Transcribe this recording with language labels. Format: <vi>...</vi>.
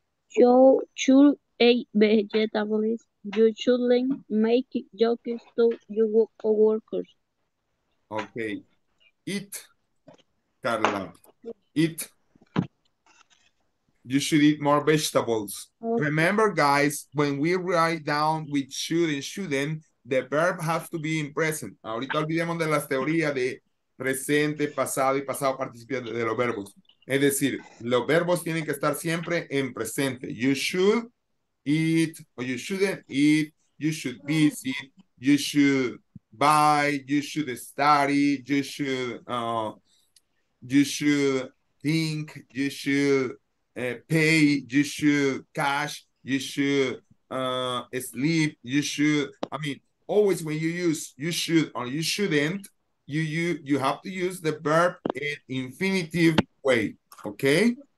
<en>You should eat vegetables. You shouldn't make jokes to your coworkers. Okay. Eat, Carla. Eat. You should eat more vegetables. Remember, guys, when we write down with should and shouldn't, the verb has to be in present.</en> <es>Ahorita olvidemos de las teorías de presente, pasado y pasado participio de los verbos. Es decir, los verbos tienen que estar siempre en presente.</es> <en>You should eat, or you shouldn't eat, you should visit, you should buy, you should study, you should think, you should... pay, you should cash, you should sleep, you should, I mean, always when you use you should or you shouldn't, you have to use the verb in infinitive way, okay?</en>